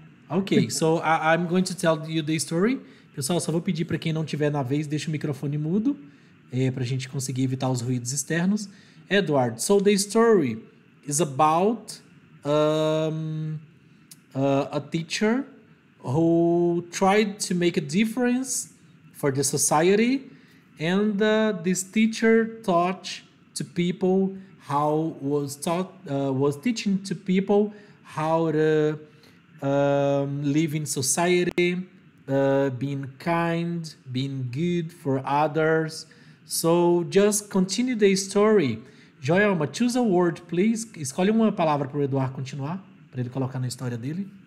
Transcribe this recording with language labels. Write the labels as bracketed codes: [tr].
[en] Okay, so I'm going to tell you the story. [pt] Pessoal, só vou pedir para quem não tiver na vez, deixa o microfone mudo, para a gente conseguir evitar os ruídos externos. [en] Edward, so the story is about a teacher who tried to make a difference for the society, and this teacher taught to people how was teaching to people how to live in society, being kind, being good for others. So just continue the story. Joelma, choose a word, please. [pt] Escolhe uma palavra para o Eduardo continuar, para ele colocar na história dele.